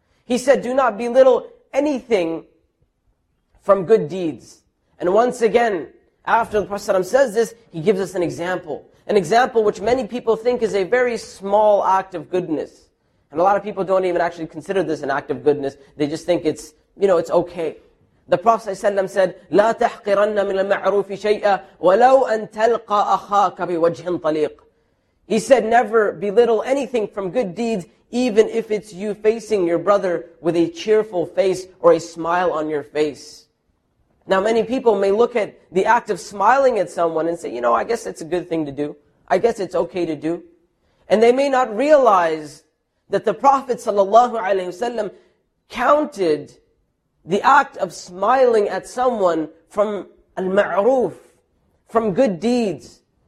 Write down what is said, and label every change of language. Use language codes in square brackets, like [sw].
[en] He said, do not belittle anything from good deeds. And once again, after the Prophet says this, he gives us an example. An example which many people think is a very small act of goodness. And a lot of people don't even actually consider this an act of goodness. They just think it's, you know, it's okay. The Prophet ﷺ said, [ar] لَا تَحْقِرَنَّ مِنَ الْمَعْرُوفِ شَيْئًا وَلَوْ أَن تَلْقَى أَخَاكَ بِوَجْهٍ طَلِيقٍ. [en] He said, never belittle anything from good deeds, even if it's you facing your brother with a cheerful face or a smile on your face. Now many people may look at the act of smiling at someone and say, you know, I guess it's a good thing to do. I guess it's okay to do. And they may not realize that the Prophet ﷺ counted the act of smiling at someone from al-ma'roof, from good deeds.